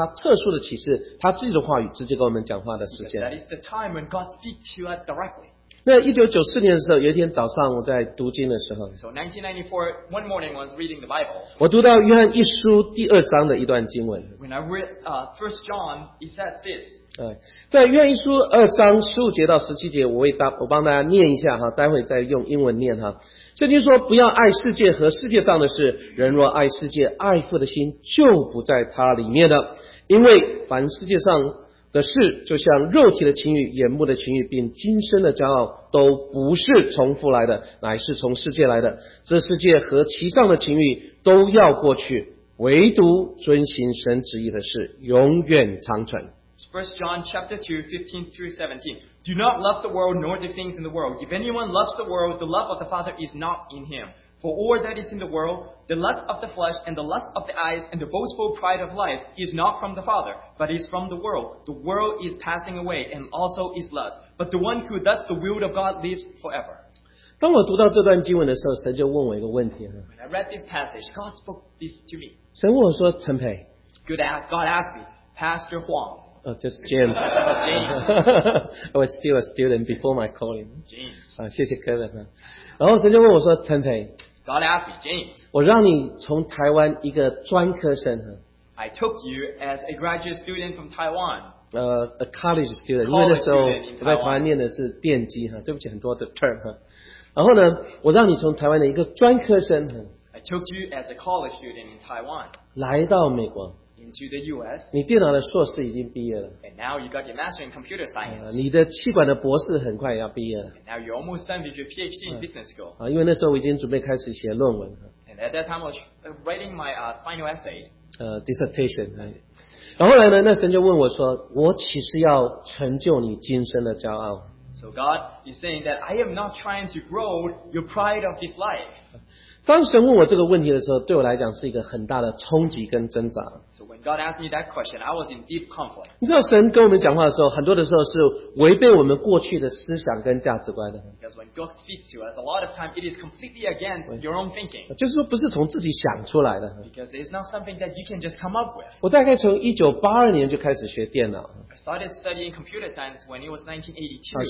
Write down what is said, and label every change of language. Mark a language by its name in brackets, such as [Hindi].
[Chinese] 因为这是神直接跟我们说话，透过他特殊的启示，他自己的话语直接跟我们讲话的时间。 [English] Because that is the time when God speak to you directly. [Chinese] 那1994年的时候，有一天早上我在读经的时候。 [English] So 1994, one morning I was reading the Bible. [Chinese] 我读到约翰一书第二章的一段经文。 [English] When I read First John, it said this. [Chinese] 在约翰一书二章15节到17节，我帮大家念一下哈，待会再用英文念哈。圣经说，不要爱世界和世界上的事。人若爱世界，爱父的心就不在他里面了。因为凡世界上 的事，就像肉体的情欲、眼目的情欲，并今生的骄傲，都不是从父来的，乃是从世界来的。这世界和其上的情欲都要过去，唯独遵行神旨意的事，永远长存。 [English] First John chapter 2, 15 through 17. Do not love the world nor the things in the world. If anyone loves the world, the love of the Father is not in him. For all that is in the world, the lust of the flesh and the lust of the eyes and the boastful pride of life is not from the Father, but is from the world. The world is passing away and also is lust. But the one who does the will of God lives forever. [Chinese] 当我读到这段经文的时候，神就问我一个问题。 [English] When I read this passage, God spoke this to me. [Chinese] 神问我说，陈培。 [English] Good ask, God asked me, Pastor Huang. Just James. James. I was still a student before my calling. James. [Chinese] 谢谢Kevin。然后神就问我说：“陈培， [English] God asked me, James, [Chinese] 我让你从台湾一个专科生， [English] I took you as a graduate student from Taiwan, a college student, [Chinese] 因为那时候我在台湾念的是电机， 对不起很多的 term， 然后呢，我让你从台湾的一个专科生， [English] I took you as a college student in Taiwan, [Chinese] 来到美国， [English] into the US, [Chinese] 你电脑的硕士已经毕业了， [English] and now you got your master in computer science, [Chinese] 你的气管的博士很快要毕业了， [English] and now you're almost done with your PhD in business school, [Chinese] 因为那时候我已经准备开始写论文了， [English] and At that time, I was writing my final essay. Dissertation. Right? [Chinese] 然后来呢, 那神就问我说, 我岂是要成就你今生的骄傲? [English] So God is saying that I am not trying to grow your pride of this life. [Chinese] 当神问我这个问题的时候, 对我来讲是一个很大的冲击跟挣扎。 [English] So when God asked me that question, I was in deep conflict. [Chinese] 你知道神跟我们讲话的时候, 很多的时候是违背我们过去的思想跟价值观的。 [English] Because when God speaks to us, a lot of time it is completely against your own thinking. [Chinese] 就是说不是从自己想出来的。 [English] Because it's not something that you can just come up with. [Chinese] 我大概从1982年就开始学电脑。 [English] I started studying computer science when it was 1982.